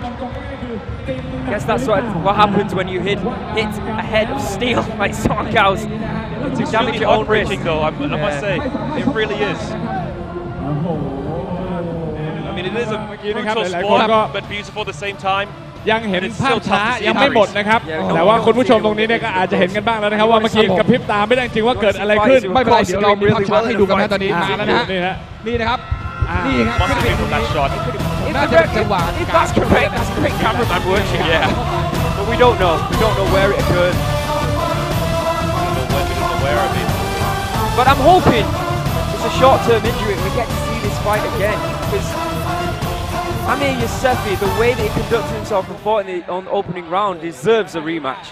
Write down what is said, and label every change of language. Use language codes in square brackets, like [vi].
[en] I guess that's what happens when you hit a head of steel like Songkhao's. It's extremely heartbreaking, though, I must say. It really is. I mean, it is a brutal sport, but beautiful at the same time. [th] ยังเห็นภาพช้ายังไม่หมดนะครับแต่ว่าคุณผู้ชมตรงนี้เนี่ยก็อาจจะเห็นกันบ้างแล้วนะครับว่าเมื่อกี้กระพริบตาไม่ได้จริงว่าเกิดอะไรขึ้น ไม่เป็นไรเดี๋ยวเราเรียกช้าให้ดูกันตอนนี้ มาแล้วนะ นี่ฮะนี่นะครับนี่ครับขึ้นไปดูการช็อต น่าจะจังหวะการ [en] If that's correct that's correct cameraman working yeah but we don't know where it occurred we don't know where I mean but I'm hoping it's a short term injury and we get to see this fight again becauseAmir Yousefi, the way that he conducted himself and fought on the opening round deserves a rematch.